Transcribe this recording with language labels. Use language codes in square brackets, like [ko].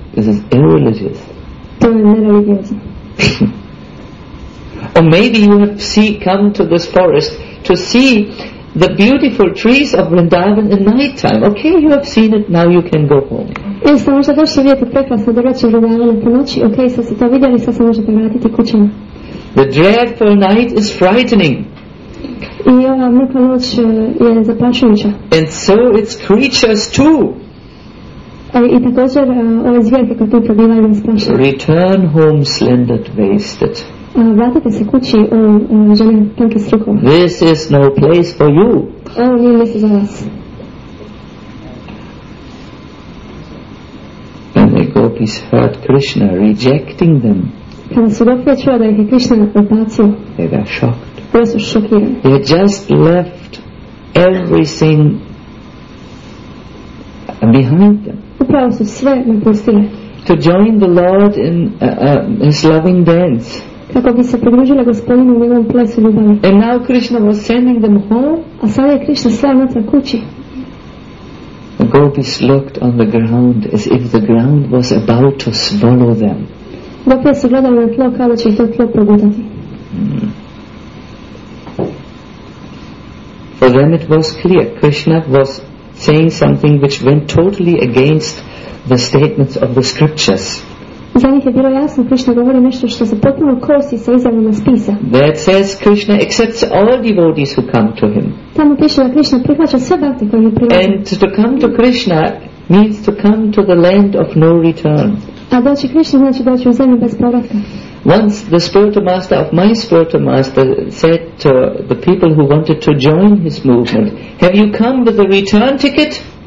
[en] This is irreligious. [hr] To je nereligiozno. [en] Or maybe you have come to this forest to see the beautiful trees of Vrindavan in night time. Okay, you have seen it, now you can go home. [hr] Jeste, možda došli vidjeti prekrasno drveće Vrindavana po noći. Okay, sad ste to vidjeli, sad se možete vratiti kućama. [en] The dreadful night is frightening. [hr] I ova mrka noć je zaplašujuća. [en] And so its creatures too. [hr] I također ove zvijerke koje tu prebivaju je zaplašuju. [en] Return home, slender waisted. [hr] Vratite se kući u žene tanke strukova. [en] This is no place for you. [hr] Ovo nije mjesto za vas. [en] And the gopis heard Krishna rejecting them. [hr] Kada su gopije čuo da ih je Krishna odbacio. [en] They were shocked. [hr] Bili su šokirani. [en] They had just left everything behind them. [hr] Upravo su sve napustile. [en] To join the Lord in his loving dance. [hr] Kako bi se pridružila gospodinu u njegovom plesu ljubavi. [en] And now Krishna was sending them home. [hr] A sada je Krishna slao natrag kući. [en] The gopis looked on the ground as if the ground was about to swallow them. [hr] Gopis su gledali na tlo kao da će to tlo progutati. [en] For them it was clear Krishna was saying something which went totally against the statements of the scriptures. [hr] Za njih je bilo jasno, Krishna govori nešto što se potpuno kosi sa izjavama spisa. [en] That says Krishna accepts all devotees who come to him. [hr] Tamo piše da Krishna prihvaća sve bhakte koji mu prilaze. [en] And to come to Krishna means to come to the land of no return. [hr] A doći Krishna znači doći u zemlju bez povratka. [en] Once the spiritual master of my spiritual master said to the people who wanted to join his movement, "Have you come with a return ticket?"